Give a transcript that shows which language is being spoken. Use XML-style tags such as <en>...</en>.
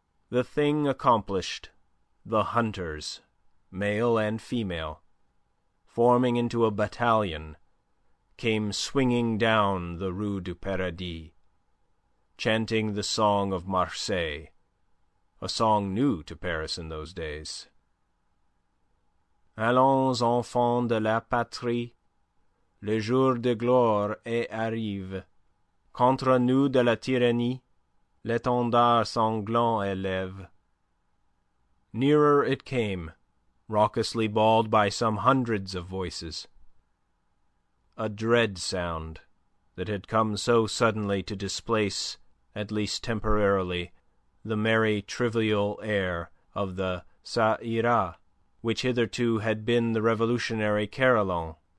<en>The thing accomplished, the hunters, male and female, forming into a battalion, came swinging down the Rue du Paradis, chanting the song of Marseille, a song new to Paris in those days.</en> <fr>Allons, enfants de la patrie, le jour de gloire est arrivé. Contre nous de la tyrannie, l'étendard sanglant élève.</fr> <en>Nearer it came, raucously bawled by some hundreds of voices. A dread sound that had come so suddenly to displace, at least temporarily, the merry, trivial air of the Ça ira, which hitherto had been the revolutionary carillon.</en>